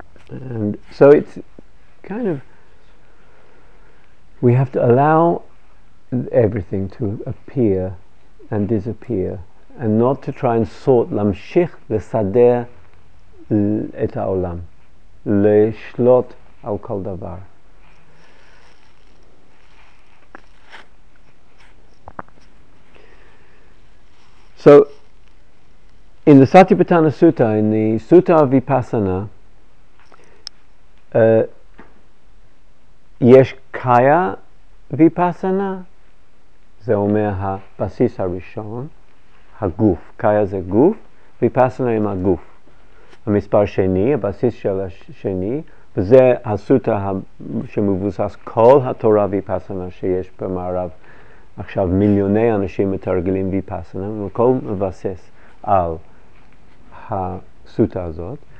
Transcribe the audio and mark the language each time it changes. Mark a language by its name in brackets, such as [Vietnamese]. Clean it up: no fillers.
[English] And so it's kind of, we have to allow everything to appear and disappear, and not to try and sort [Hebrew] להמשיך לסדר את העולם, לשלוט על כל דבר. [English] So in the Satipatthana Sutta, in the Sutta of Vipassana, [Hebrew] יש קיה ויפסנה, זה אומר הבסיס הראשון, הגוף. קיה זה גוף, ויפסנה עם הגוף. המספר שני, הבסיס של השני, וזה הסוטה שמבוסס כל התורה ויפסנה, שיש במערב עכשיו מיליוני אנשים מתרגלים ויפסנה, וכל מבסס על הסוטה הזאת.